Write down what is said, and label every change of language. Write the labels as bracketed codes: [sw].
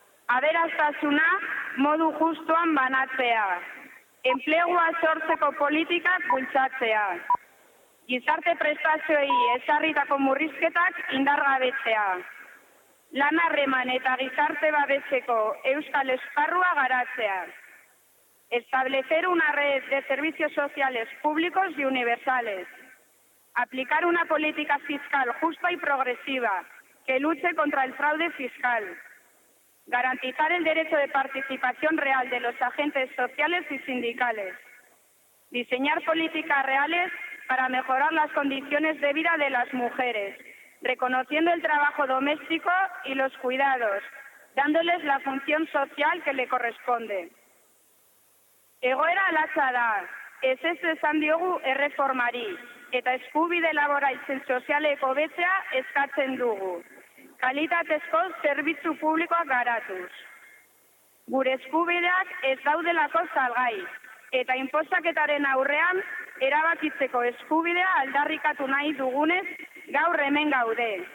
[eu] Aberastasuna modu justuan banatzea. Enplegua sortzeko politikak bultzatzea. Gizarte prestazioei ezarritako murrizketak indargabetzea. Lan harreman eta gizarte babetzeko euskal esparrua garatzea. [es] Establecer una red de servicios sociales públicos y universales. Aplicar una política fiscal justa y progresiva que luche contra el fraude fiscal. Garantizar el derecho de participación real de los agentes sociales y sindicales. Diseñar políticas reales para mejorar las condiciones de vida de las mujeres, reconociendo el trabajo doméstico y los cuidados, dándoles la función social que le corresponde. [eu] Egoera latza da, ez esan diogu erreformari, eta eskubide laboraltzen sozialeko betzea eskatzen dugu. Kalitatezko zerbitzu publikoak garatuz. Gure eskubideak ez daudelako salgai, eta inpostaketaren aurrean erabakitzeko eskubidea aldarrikatu nahi dugunez gaur hemen gaude.